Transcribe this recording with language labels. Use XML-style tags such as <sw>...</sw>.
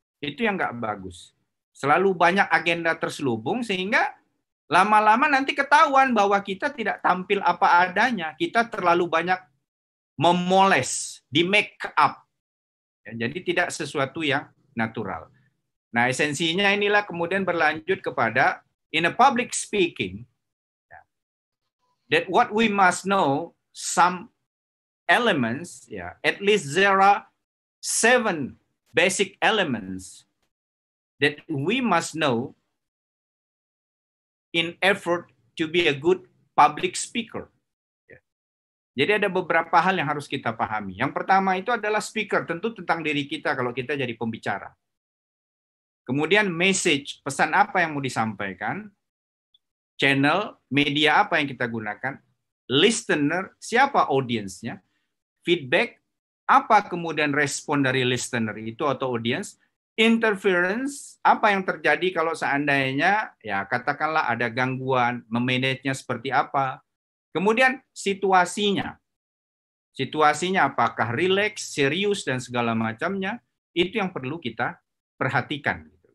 <id>Itu yang enggak bagus. Selalu banyak agenda terselubung sehingga lama-lama nanti ketahuan bahwa kita tidak tampil apa adanya. Kita terlalu banyak memoles, di make up. Jadi tidak sesuatu yang natural. Nah, esensinya inilah kemudian berlanjut kepada</id> <en>in a public speaking, that what we must know some elements, at least there are 7 basic elements that we must know in effort to be a good public speaker.</en> <id>Jadi ada beberapa hal yang harus kita pahami. Yang pertama itu adalah speaker, tentu tentang diri kita kalau kita jadi pembicara. Kemudian message, pesan apa yang mau disampaikan, channel, media apa yang kita gunakan, listener, siapa audiensnya, feedback, apa kemudian respon dari listener itu atau audience, interference, apa yang terjadi kalau seandainya, ya katakanlah ada gangguan, memanage-nya seperti apa, kemudian situasinya, situasinya apakah relax, serius, dan segala macamnya, itu yang perlu kita perhatikan.</id>